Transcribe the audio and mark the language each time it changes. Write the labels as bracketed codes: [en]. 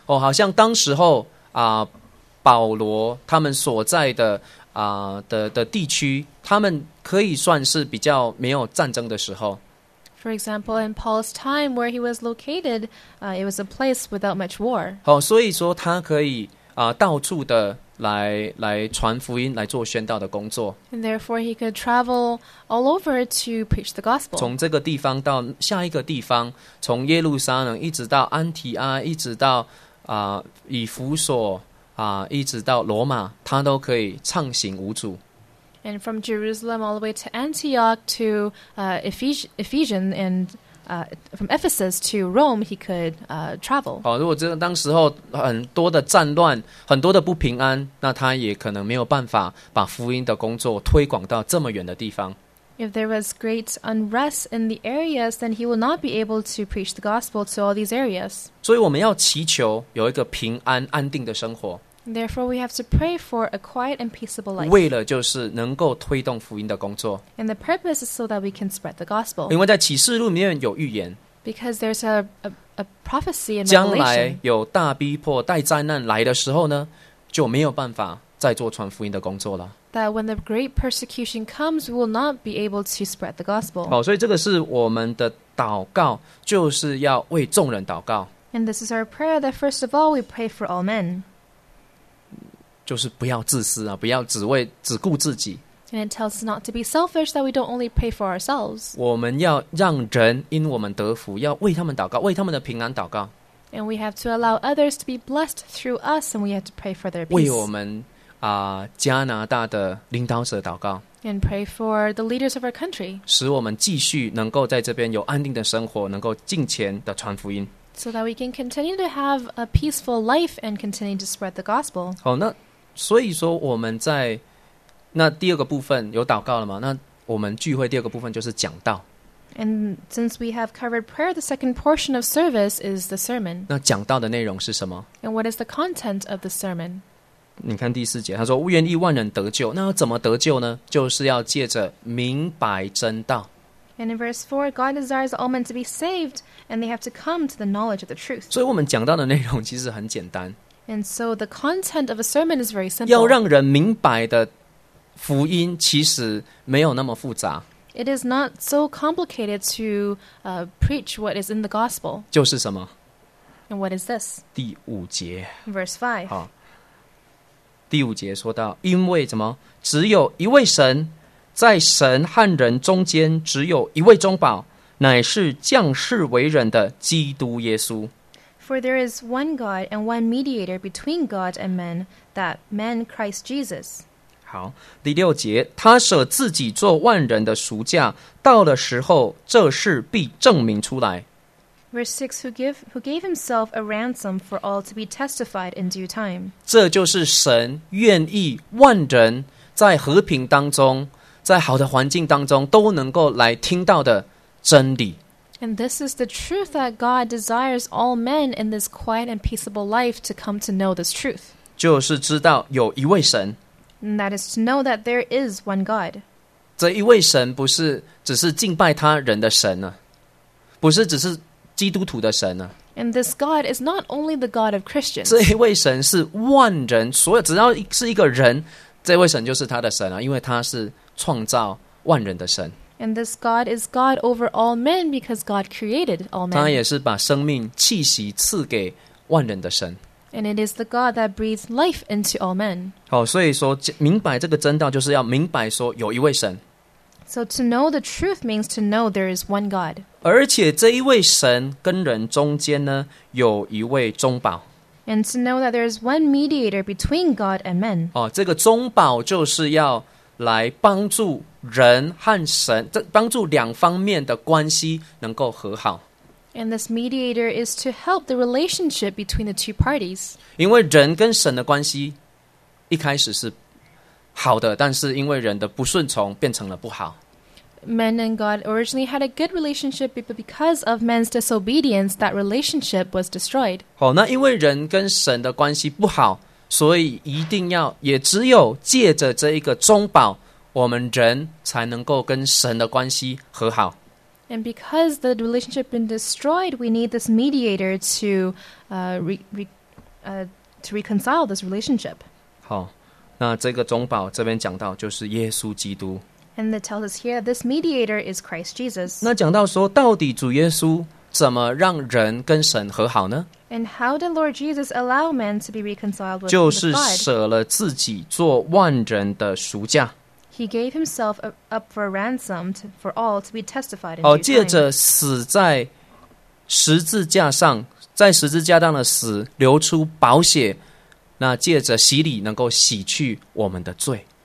[zh] 哦，好像当时候保罗他们所在的的地区，他们可以算是比较没有战争的时候。 [en] For example, in Paul's time where he was located, it was a place without much war. [zh] 哦，所以说他可以到处的来传福音，来做宣道的工作。 [en] And therefore, he could travel all over to preach the gospel. [zh] 从这个地方到下一个地方，从耶路撒冷一直到安提阿，一直到以弗所。一直到罗马，他都可以畅行无阻。 [en] And from Jerusalem all the way to Antioch to Ephesian and from Ephesus to Rome, he could travel. [zh] 哦，如果这当时候很多的战乱，很多的不平安，那他也可能没有办法把福音的工作推广到这么远的地方。 [en] If there was great unrest in the areas, then he will not be able to preach the gospel to all these areas. [zh] 所以我们要祈求有一个平安安定的生活。 [en] Therefore, we have to pray for a quiet and peaceable life. [zh] 为了就是能够推动福音的工作。 [en] And the purpose is so that we can spread the gospel. [zh] 因为在启示录里面有预言。 [en] Because there's a prophecy in [zh] 将来有大逼迫、大灾难来的时候呢，就没有办法再做传福音的工作了。 [en] That when the great persecution comes, we will not be able to spread the gospel. [zh] 哦，所以这个是我们的祷告，就是要为众人祷告。 [en] And this is our prayer that first of all we pray for all men. [zh] 就是不要自私啊，不要只顾自己。 [en] And it tells us not to be selfish that we don't only pray for ourselves. [zh] 我们要让人因我们得福，要为他们祷告，为他们的平安祷告。 [en] And we have to allow others to be blessed through us, and we have to pray for their peace. [zh] 为我们加拿大的领导者祷告， [en] And pray for the leaders of our country. [zh] 使我们继续能够在这边有安定的生活，能够敬虔的传福音。 [en] So that we can continue to have a peaceful life and continue to spread the gospel. [zh] 好，那所以说我们在那第二个部分有祷告了吗？那我们聚会第二个部分就是讲道。 [en] And since we have covered prayer, the second portion of service is the sermon. [zh] 那讲道的内容是什么？ [en] And what is the content of the sermon? [zh] 你看第四节，他说愿意万人得救。那要怎么得救呢？就是要借着明白真道。 [en] And in verse 4, God desires all men to be saved, and they have to come to the knowledge of the truth. [zh] 所以我们讲到的内容其实很简单。 [en] And so the content of a sermon is very simple. [zh] 要让人明白的福音其实没有那么复杂。 [en] It is not so complicated to preach what is in the gospel. [zh] 就是什么？ [en] And what is this? [zh] 第五节。 [en] Verse 5. [zh] 好，第五节说到，因为什么？只有一位神，在神和人中间只有一位中保，乃是降世为人的基督耶稣。 [en] For there is one God and one mediator between God and men, that man Christ Jesus. [zh] 好，第六节，他舍自己做万人的赎价，到了时候，这事必证明出来。 [en] Verse 6, who gave himself a ransom for all to be testified in due time. [zh] 这就是神愿意万人在和平当中，在好的环境当中都能够来听到的真理。 [en] And this is the truth that God desires all men in this quiet and peaceable life to come to know this truth. [zh] 就是知道有一位神。 [en] And that is to know that there is one God. [zh] 这一位神不是只是敬拜他人的神啊，不是只是基督徒的神啊。 [en] And this God is not only the God of Christians. [zh] 这一位神是万人，所有只要是一个人，这位神就是他的神啊，因为他是创造万人的神。 [en] And this God is God over all men because God created all men. [zh] 他也是把生命气息赐给万人的神。 [en] And it is the God that breathes life into all men. [zh] 好，所以说明白这个真道就是要明白说有一位神。 [en] So to know the truth means to know there is one God. [zh] 而且这一位神跟人中间呢有一位中保。 [en] And to know that there is one mediator between God and men. [zh] 哦，这个中保就是要来帮助人和神，帮助两方面的关系能够和好。 [en] And this mediator is to help the relationship between the two parties. [zh] 因为人跟神的关系一开始是好的，但是因为人的不顺从变成了不好。 [en] Men and God originally had a good relationship, but because of men's disobedience, that relationship was destroyed. [zh] 哦，那因为人跟神的关系不好，所以一定要，也只有借着这一个中保，我们人才能够跟神的关系和好。 [en] And because the relationship been destroyed, we need this mediator to reconcile this relationship. [zh] 好，那这个中保这边讲到就是耶稣基督。 [en] And it tells us here this mediator is Christ Jesus. [zh] 那讲到说，到底主耶稣怎么让人跟神和好呢？ [en] And how did Lord Jesus allow men to be reconciled with God? [zh] 就是舍了自己做万人的赎价。 [en] He gave himself up for a ransom for all to be testified in due time. [zh] 借着死在十字架上，在十字架上的死流出宝血，那借着洗礼能够洗去我们的罪。